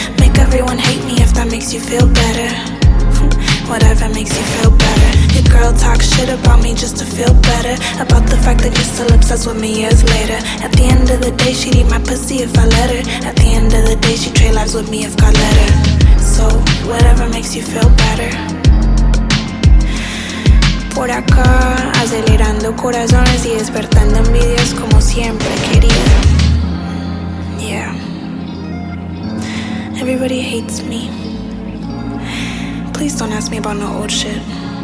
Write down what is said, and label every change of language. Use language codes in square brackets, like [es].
[en] Make everyone hate me if that makes you feel better. Whatever makes you feel better. Your girl talks shit about me just to feel better. About the fact that you're still obsessed with me years later. At the end of the day, she'd eat my pussy if I let her. At the end of the day, she'd trade lives with me if God let her. So, whatever makes you feel better. [es] Por acá, acelerando corazones y despertando envidias como siempre quería. [en] Everybody hates me. Please don't ask me about no old shit.